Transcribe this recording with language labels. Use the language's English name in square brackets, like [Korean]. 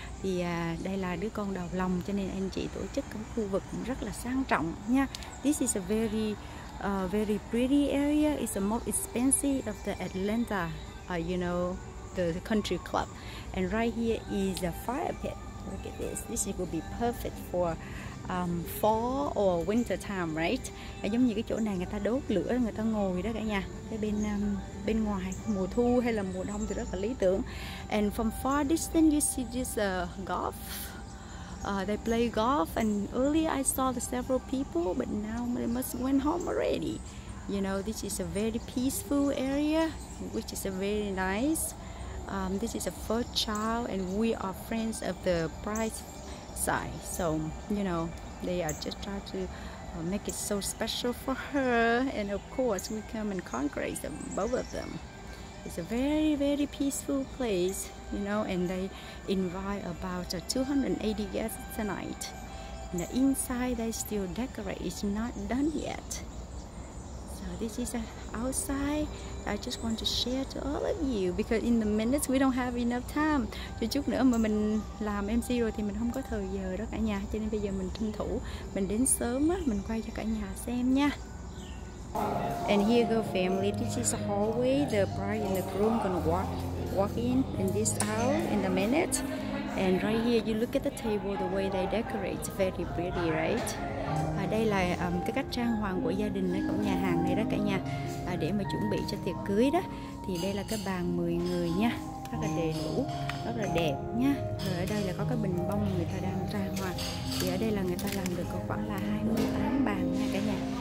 [Vietnamese] Thì đây là đứa con đầu lòng, cho nên anh chị tổ chức cái khu vực rất là sang trọng nha. [English] This is a very very pretty area. It's the most expensive of the Atlanta, you know, the country club. And right here is a fire pit. Look at this. This will be perfect for fall or winter time, right? [Vietnamese] Giống như cái chỗ này người ta đốt lửa, người ta ngồi đó cả nhà. Cái bên ngoài mùa thu hay là mùa đông thì rất là lý tưởng. [English] And from far distance, you see this golf. They play golf. And earlier I saw the several people, but now they must went home already. You know, this is a very peaceful area, which is very nice. This is a first child, and we are friends of the bride's side. So, you know, they are just trying to make it so special for her. And of course, we come and congratulate them, both of them. It's a very, very peaceful place. you know, and they invite about 280 guests tonight. And the inside, they still decorate. It's not done yet. So this is outside. I just want to share to all of you because in the minutes we don't have enough time. [Vietnamese] Chứ chút nữa mà mình làm MC rồi thì mình không có thời giờ đó cả nhà. Cho nên bây giờ mình tranh thủ mình đến sớm á, mình quay cho cả nhà xem nha. [English] And here go family. This is the hallway. The bride and the groom gonna walk in and this out in a minute. And right here, you look at the table, the way they decorate, it's very pretty, right? [Vietnamese] Và đây là cái cách trang hoàng của gia đình ở cổng nhà hàng này đó cả nhà. Để mà chuẩn bị cho tiệc cưới đó. Thì đây là cái bàn 10 người nha. Rất là đầy đủ, rất là đẹp nha. Rồi ở đây là có cái bình bông người ta đang trang hoàng. Thì ở đây là người ta làm được có khoảng là 28 bàn nha cả nhà.